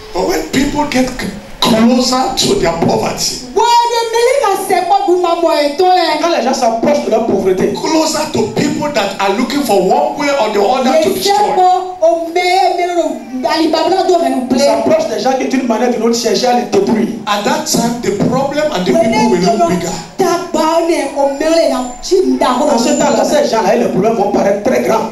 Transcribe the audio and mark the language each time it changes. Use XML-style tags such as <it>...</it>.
<en>But when people get closer to their poverty.</en> <fr>Quand les gens s'approchent de la pauvreté.</fr> <en>Closer to people that are looking for one way or the other to destroy.</en> <fr>S'approche des gens qui d'une manière ou d'une autre cherchent à les détruire.</fr> <en>At that time, the problem and the people will look bigger.</en> <fr>Dans ce temps-là, ces gens-là et les problèmes vont paraître très grands.</fr>